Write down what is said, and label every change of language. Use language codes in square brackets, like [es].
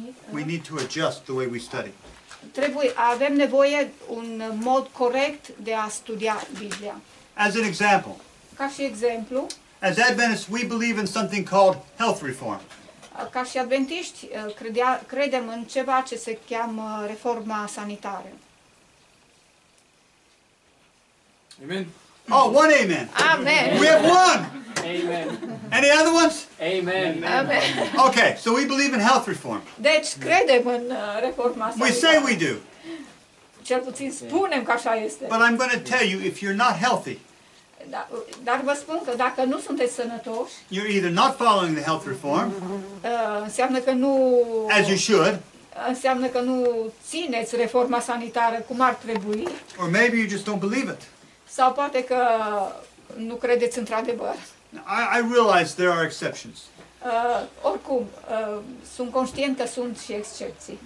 [en] We need to adjust the way we study. [ro] Trebuie, avem nevoie un mod corect de a studia Biblia. [en] As an example. [ro] Ca și exemplu. [en] As Adventists, we believe in something called health reform. [ro] Ca și adventiști, credem în ceva ce se cheamă reforma sanitară. [en] Amen. Oh, one amen. Amen. We have one. Amen. Any other ones? Amen. Amen. Okay, so we believe in health reform. [ro] Deci credem în reforma sanitară. [en] We say we do. [ro] Cel puțin spunem că așa este. [en] But I'm going to tell you, if you're not healthy, [ro] dar vă spun că dacă nu sunteți sănătoși, [en] you're either not following the health reform, [ro] înseamnă că nu, [en] as you should, [ro] înseamnă că nu țineți reforma sanitară cum ar trebui, [en] or maybe you just don't believe it, [ro] sau poate că nu credeți într-adevăr. [en] I realize there are exceptions. [ro] Oricum, sunt conștient că sunt și excepții.